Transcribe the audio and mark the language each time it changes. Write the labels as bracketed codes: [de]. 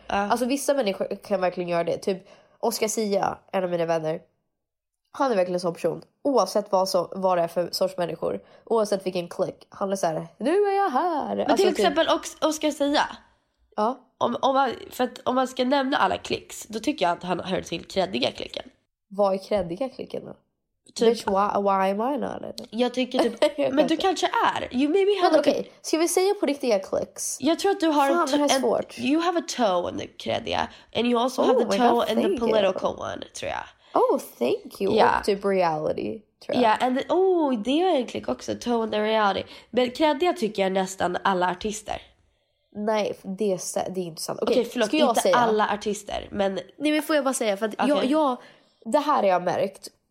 [sv] Alltså, vissa människor kan verkligen göra det, typ... Oskar Sia, en av mina vänner, han är verkligen en sån person. Oavsett vad det är för sorts människor, oavsett vilken klick, han är så här, nu är jag här. Men till exempel Oskar Sia. Ja. Om man ska nämna alla klicks, då tycker jag att han hör till kreddiga klicken. Vad är kreddiga klicken då? Typ, [en] bitch, why am I not in it? [sv] Jag tycker typ, men du kanske är. [en] You maybe have like, okay. [sv] Ska vi säga på riktiga klicks? Jag tror att du har svårt. [en] You have a toe in the kredia. And you also have the toe in the political one, [sv] tror jag. [en] Oh, thank you. Yeah. [sv] Och typ reality, tror jag. [en] Yeah, and the, [sv] det är en klick också. [en] Toe in the reality. [sv] Men kredia tycker jag nästan alla artister. Nej, det är inte sant. Okej, förlåt. Ska jag inte säga? Alla artister, men... Nej, men får jag bara säga? För att det här har jag märkt...